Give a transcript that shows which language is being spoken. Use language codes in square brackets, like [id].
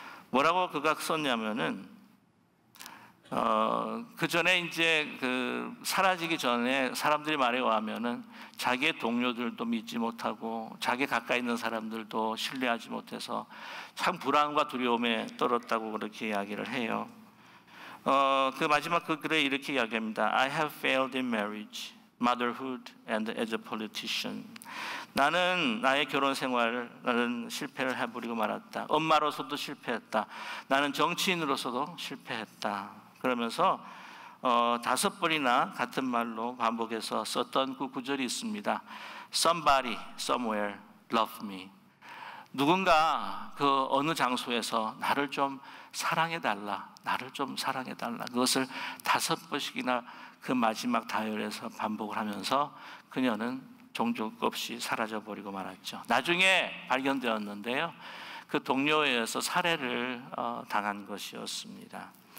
[ko] 뭐라고 그가 썼냐면은, 그 전에 이제 그 사라지기 전에 사람들이 말해와면은 자기의 동료들도 믿지 못하고 자기 가까이 있는 사람들도 신뢰하지 못해서 참 불안과 두려움에 떨었다고 그렇게 이야기를 해요. 그 마지막 그 글에 이렇게 이야기합니다. [en] I have failed in marriage, motherhood, and as a politician. [ko] 나는 나의 결혼 생활은 실패를 해버리고 말았다. 엄마로서도 실패했다. 나는 정치인으로서도 실패했다. 그러면서 다섯 번이나 같은 말로 반복해서 썼던 그 구절이 있습니다. [en] Somebody, somewhere, love me. [ko] 누군가 그 어느 장소에서 나를 좀 사랑해달라. 나를 좀 사랑해달라. 그것을 다섯 번씩이나 그 마지막 다이어리에서 반복을 하면서 그녀는 종족 없이 사라져버리고 말았죠. 나중에 발견되었는데요, 그 동료에 의해서 살해를 당한 것이었습니다.